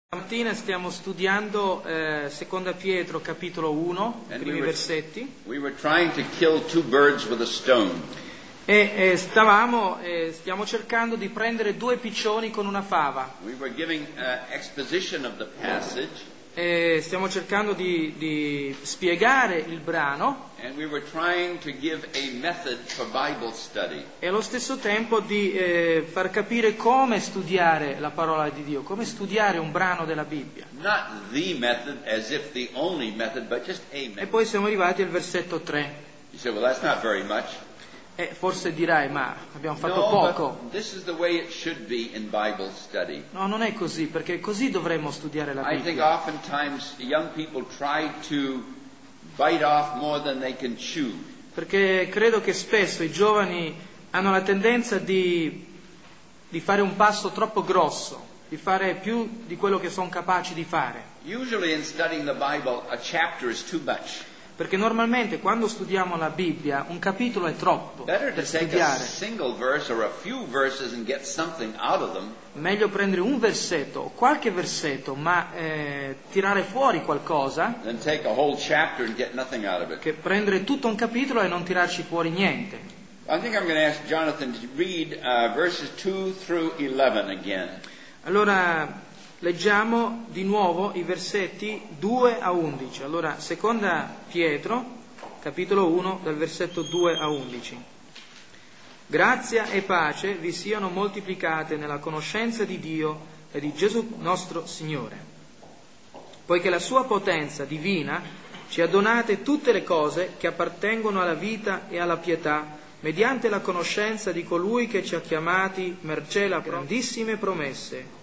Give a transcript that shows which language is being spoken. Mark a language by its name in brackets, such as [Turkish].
[Italian] Stamattina stiamo studiando Seconda Pietro capitolo 1, primi versetti. [English] We were trying to kill two birds with a stone. [Italian] Stiamo cercando di prendere due piccioni con una fava. [English] We were giving exposition of the passage. [Italian] Stiamo cercando di spiegare il brano. [English] And we were trying to give a method for Bible study. [Italian] E allo stesso tempo di far capire come studiare la parola di Dio, come studiare un brano della Bibbia. [English] Not the method, as if the only method, but just a method. [Italian] E poi siamo arrivati al versetto 3. [English] You say, well, that's not very much. [Italian] Forse dirai, ma abbiamo fatto no, poco. [English] This is the way it should be in Bible study. [Italian] No, non è così, perché così dovremmo studiare la Bibbia. [English] I think oftentimes young people try to bite off more than they can chew. [Italian] Perché credo che spesso i giovani hanno la tendenza di fare un passo troppo grosso, di fare più di quello che sono capaci di fare. [English] Usually in studying the Bible, a chapter is too much. [Italian] Perché normalmente quando studiamo la Bibbia un capitolo è troppo [English] Better [Italian] per [English] to [Italian] studiare. [English] Take a single verse or a few verses and get something out of them. [Italian] Meglio prendere un versetto o qualche versetto, ma tirare fuori qualcosa. [English] Than take a whole chapter and get nothing out of it. [Italian] Che prendere tutto un capitolo e non tirarci fuori niente. [English] I think I'm going to ask Jonathan to read verses 2 through 11 again. [Italian] Allora leggiamo di nuovo i versetti 2 a 11. Allora, Seconda Pietro, capitolo 1, dal versetto 2 a 11. Grazia e pace vi siano moltiplicate nella conoscenza di Dio e di Gesù nostro Signore, poiché la sua potenza divina ci ha donate tutte le cose che appartengono alla vita e alla pietà, mediante la conoscenza di colui che ci ha chiamati mercé la grandissime promesse,